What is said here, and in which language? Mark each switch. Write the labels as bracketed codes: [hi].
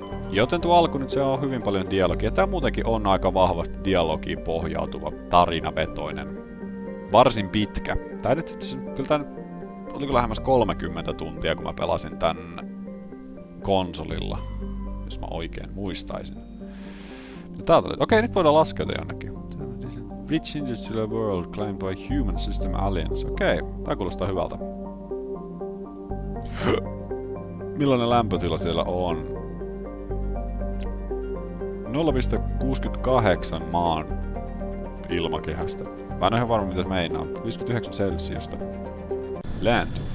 [fi] Joten tuo alku nyt se on hyvin paljon dialogia. Tämä muutenkin on aika vahvasti dialogiin pohjautuva, tarinavetoinen, varsin pitkä. Tämä nyt itse kyllä tämä oliko lähemmäs 30 tuntia, kun mä pelasin tän konsolilla, jos mä oikein muistaisin. Okei, nyt voidaan laskeutua jonnekin. [en] Rich industrial world claimed by human system aliens. [fi] Okei, tää kuulostaa hyvältä. Millainen lämpötila siellä on? 0,68 maan ilmakehästä. Mä en ole ihan varma, mitä se meinaa. 59 celsiusta. Land.